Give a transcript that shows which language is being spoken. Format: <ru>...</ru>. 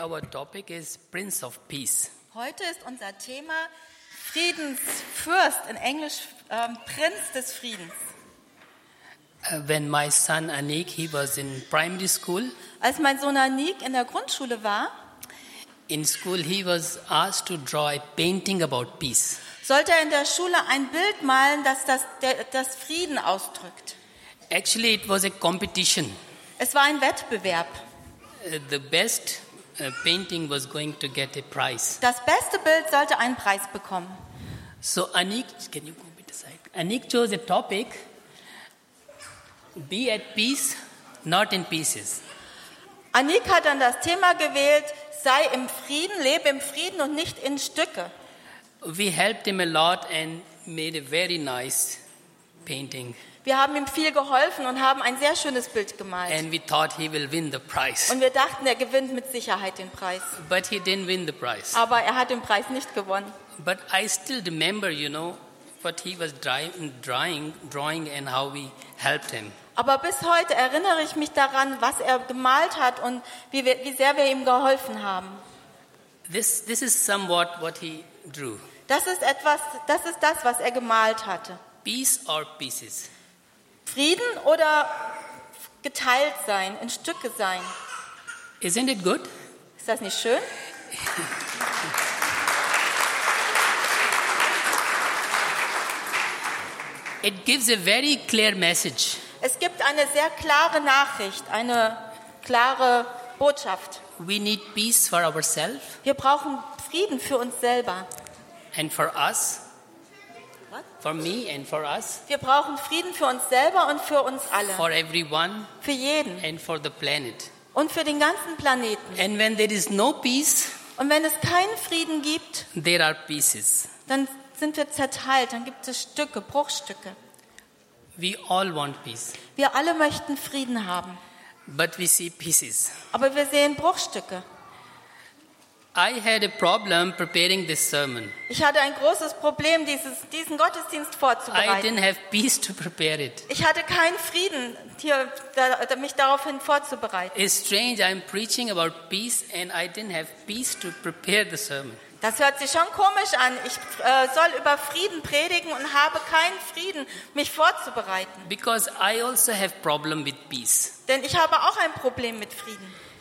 <en>Topic is Prince of Peace.</en> <de>Heute ist unser Thema Friedensfürst, in Englisch Prinz des Friedens.</de> <en>When my son Anik, he was in primary school.</en> <de>Als mein Sohn Anik in der Grundschule war,</de> <en>in school he was asked to draw a painting about peace.</en> <de>Sollte er in der Schule ein Bild malen, das Frieden ausdrückt.</de> <en>Actually, it was a competition.</en> <de>Es war ein Wettbewerb.</de> <en>The painting was going to get a prize.</en> <de>Das beste Bild sollte einen Preis bekommen.</de> <en>So Anik, can you go a bit aside? Anik chose a topic: Be at peace, not in pieces.</en> <de>Anik hat dann das Thema gewählt: Sei im Frieden, lebe im Frieden und nicht in Stücke.</de> <en>We helped him a lot and made a very nice painting.</en> <de>Wir haben ihm viel geholfen und haben ein sehr schönes Bild gemalt.</de> <en>And we thought he will win the prize.</en> <de>Und wir dachten, er gewinnt mit Sicherheit den Preis.</de> <en>But he didn't win the prize.</en> <de>Aber er hat den Preis nicht gewonnen.</de> <en>But I still remember, you know, what he was drawing and how we helped him.</en> <de>Aber bis heute erinnere ich mich daran, was er gemalt hat und wie sehr wir ihm geholfen haben.</de> <en>This is somewhat what he drew.</en> <de>Das ist das, was er gemalt hatte.</de> <en>Peace or pieces.</en> <de>Frieden oder geteilt sein, in Stücke sein.</de> <en>Isn't it good?</en> <de>Ist das nicht schön?</de> <en>It gives a very clear message.</en> <de>Es gibt eine sehr klare Nachricht, eine klare Botschaft.</de> <en>We need peace for ourselves.</en> <de>Wir brauchen Frieden für uns selber.</de> <en>And for us. For me and for us.</en> <de>Wir brauchen Frieden für uns selber und für uns alle.</de> <en>For everyone.</en> <de>Für jeden.</de> <en>And for the planet.</en> <de>Und für den ganzen Planeten.</de> <en>And when there is no peace.</en> <de>Und wenn es keinen Frieden gibt.</de> <en>There are pieces.</en> <de>Dann sind wir zerteilt. Dann gibt es Stücke, Bruchstücke.</de> <en>We all want peace.</en> <de>Wir alle möchten Frieden haben.</de> <en>But we see pieces.</en> <de>Aber wir sehen Bruchstücke.</de> <en>I had a problem preparing this sermon.</en> <de>Ich hatte ein großes Problem, diesen Gottesdienst vorzubereiten.</de> <en>I didn't have peace to prepare it.</en> <de>Ich hatte keinen Frieden, mich daraufhin vorzubereiten.</de> <en>It's strange, I'm preaching about peace and I didn't have peace to prepare the sermon.</en> <de>Das hört sich schon komisch an. Ich soll über Frieden predigen und habe keinen Frieden, mich vorzubereiten.</de> <en>Because I also have problem with peace.</en> <de>Denn ich habe auch ein Problem mit Frieden.</de>